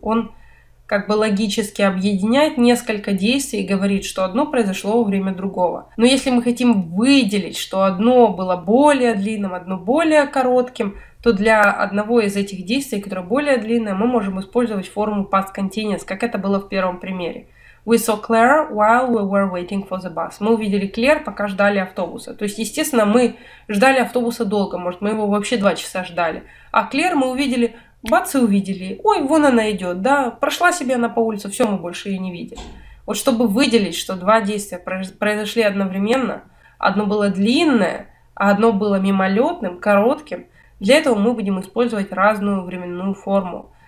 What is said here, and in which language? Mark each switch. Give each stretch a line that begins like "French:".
Russian: Он как бы логически объединяет несколько действий и говорит, что одно произошло во время другого. Но если мы хотим выделить, что одно было более длинным, одно более коротким, то для одного из этих действий, которое более длинное, мы можем использовать форму past continuous, как это было в первом примере.
English: We saw Claire while we were waiting for the bus.
Russian: Мы увидели Клэр, пока ждали автобуса. То есть, естественно, мы ждали автобуса долго, может, мы его вообще 2 часа ждали. А Клэр мы увидели, бац, и увидели. Ой, вон она идет, да, прошла себе она по улице, все, мы больше ее не видим. Вот чтобы выделить, что два действия произошли одновременно, одно было длинное, а одно было мимолетным, коротким, для этого мы будем использовать разную временную форму.